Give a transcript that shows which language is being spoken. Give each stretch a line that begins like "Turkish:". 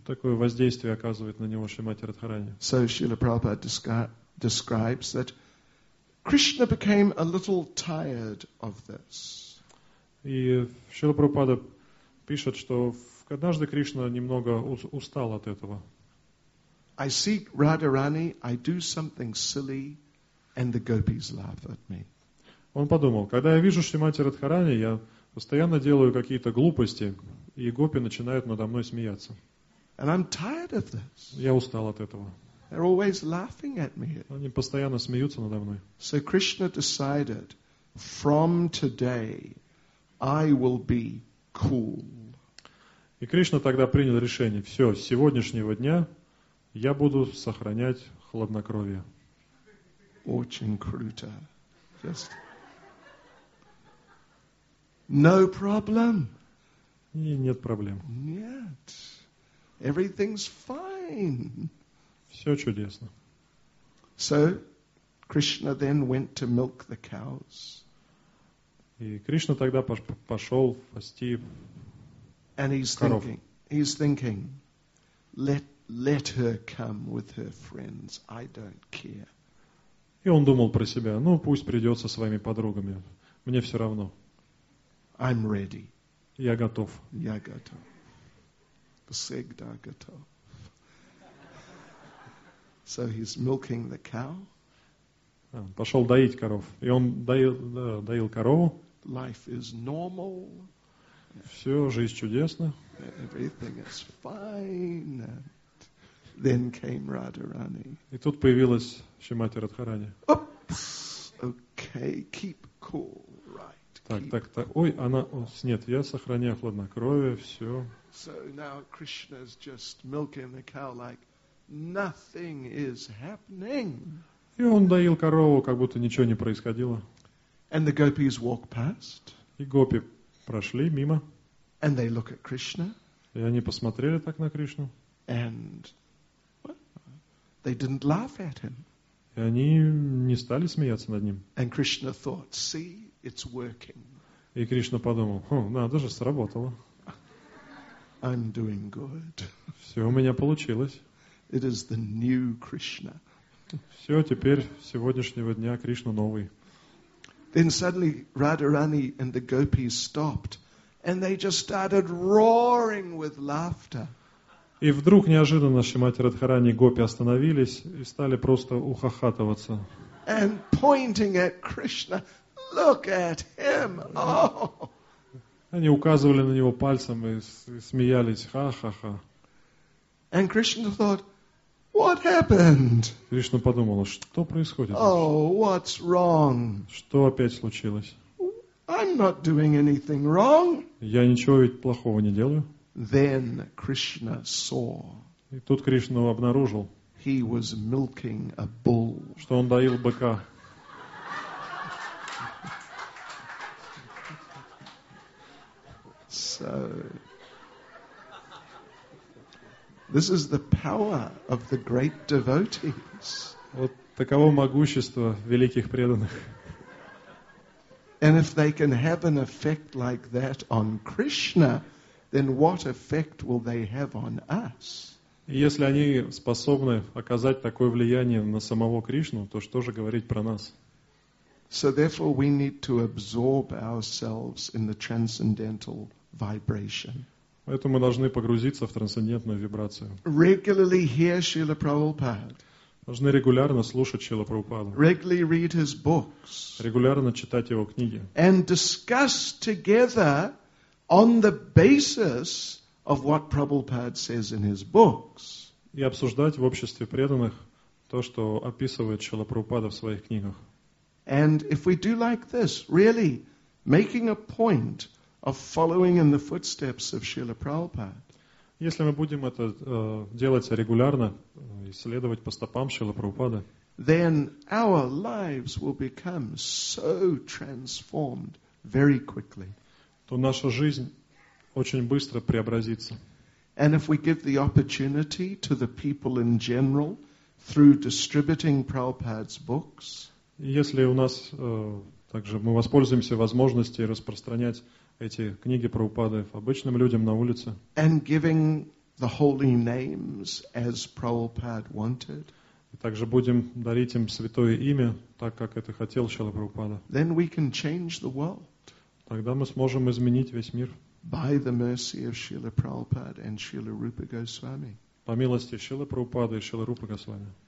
Russian: Такое воздействие оказывает на него Шримати Радхарани.
English: So Srila Prabhupada describes that Krishna became a little tired of this.
Russian: И Шрила Прабхупада пишет, что однажды Кришна немного устал от этого.
English: I see Radharani, I do something silly, and the gopis laugh at me.
Russian: Он подумал, когда я вижу Шримати Радхарани, я постоянно делаю какие-то глупости, и гопи начинают надо мной смеяться.
English: And I'm tired of this.
Russian: Я устал от этого.
English: They're always laughing at me.
Russian: Они постоянно смеются надо мной.
English: So Krishna decided, from today, I will be cool.
Russian: И Кришна тогда принял решение, все, с сегодняшнего дня я буду сохранять хладнокровие. Очень круто.
English: Just... No problem.
Russian: И нет проблем. Нет.
English: Everything's fine.
Russian: Все чудесно.
English: So, Krishna then went to milk the cows.
Russian: И Кришна тогда пошел пасти
English: And he's
Russian: коров.
English: He's thinking, let her come with her friends. I don't care.
Russian: И он думал про себя, ну пусть придет со своими подругами, мне все равно.
English: I'm ready.
Russian: Я готов. Я готов. Всегда готов.
English: So he's milking the cow.
Russian: Пошел доить коров. И он доил корову.
English: Life is normal.
Russian: Все, жизнь чудесна.
English: Everything is fine. Then came Radharani.
Russian: И тут появилась Шримати Радхарани.
English: Oops. Okay, keep cool, right?
Russian: Так. Ой, она. Нет, я сохраняю хладнокровие, все.
English: So now Krishna's just milking the cow like, nothing is happening.
Russian: И он доил корову, как будто ничего не происходило.
English: And the gopis walk past.
Russian: И гопи прошли мимо.
English: And they look at Krishna.
Russian: И они посмотрели так на Кришну.
English: And they didn't laugh at him.
Russian: И они не стали смеяться над ним.
English: And Krishna thought, see, it's working.
Russian: И Кришна подумал, надо же, сработало.
English: I'm doing good.
Russian: Все у меня получилось.
English: It is the new Krishna.
Russian: Все, теперь, с сегодняшнего дня Кришна новый.
English: Then suddenly Radharani and the gopis stopped, and they just started roaring with laughter.
Russian: И вдруг неожиданно Шримати Радхарани и гопи остановились и стали просто ухахатываться.
English: And pointing at Krishna, look at him. Oh.
Russian: Они указывали на него пальцем и смеялись. Ха-ха-ха.
English: And Krishna thought, what happened?
Russian: Кришна подумала, что происходит?
English: Oh, what's wrong?
Russian: Что опять случилось?
English: I'm not doing anything wrong.
Russian: Я ничего ведь плохого не делаю.
English: Then Krishna saw.
Russian: И тут Кришна обнаружил.
English: He was milking a bull.
Russian: Что он доил быка.
English: So this is the power of the great devotees.
Russian: Вот таково могущество великих преданных.
English: And if they can have an effect like that on Krishna, then what effect will they have on us?
Russian: Если они способны оказать такое влияние на самого Кришну, то что же говорить про нас?
English: So therefore we need to absorb ourselves in the transcendental vibration.
Russian: Поэтому мы должны погрузиться в трансцендентную вибрацию.
English: Regularly hear Srila Prabhupada.
Russian: Должны регулярно слушать Шрилу Прабхупаду.
English: Regularly read his books.
Russian: Регулярно читать его книги.
English: And discuss together on the basis of what Prabhupada says in his books.
Russian: И обсуждать в обществе преданных то, что описывает Шрила Прабхупада в своих книгах.
English: And if we do like this, really making a point of following in the footsteps of Srila Prabhupada.
Russian: Если мы будем это делать регулярно, исследовать по стопам Шрилы Прабхупады,
English: then our lives will become so transformed very quickly.
Russian: То наша жизнь очень быстро преобразится.
English: And if we give the opportunity to the people in general through distributing Prabhupada's books,
Russian: если у нас также мы воспользуемся возможностью распространять эти книги Прабхупады обычным людям на улице.
English: And giving the holy names as Prabhupada wanted.
Russian: И также будем дарить им святое имя, так как это хотел Шрила Прабхупада.
English: Then we can change the world.
Russian: Тогда мы сможем изменить весь мир.
English: By the mercy of Srila Prabhupada and Srila Rupa Goswami.
Russian: По милости Шрилы Прабхупады и Шрилы Рупы Госвами.